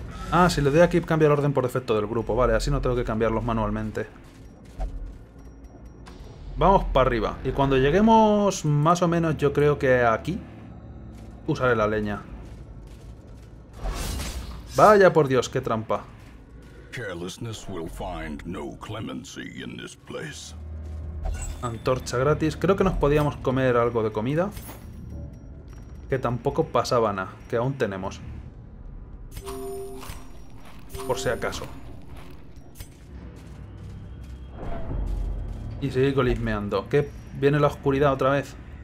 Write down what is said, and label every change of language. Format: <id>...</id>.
<es>Ah, si le doy aquí cambia el orden por defecto del grupo. Vale, así no tengo que cambiarlos manualmente. Vamos para arriba. Y cuando lleguemos más o menos, yo creo que aquí, usaré la leña. Vaya por Dios, qué trampa.</es> <en>Carelessness will find no clemency in this place.</en> <es>Antorcha gratis. Creo que nos podíamos comer algo de comida. Que tampoco pasaba nada. Que aún tenemos. Por si acaso. Y seguir golismeando. ¿Qué? ¿Viene la oscuridad otra vez?</es>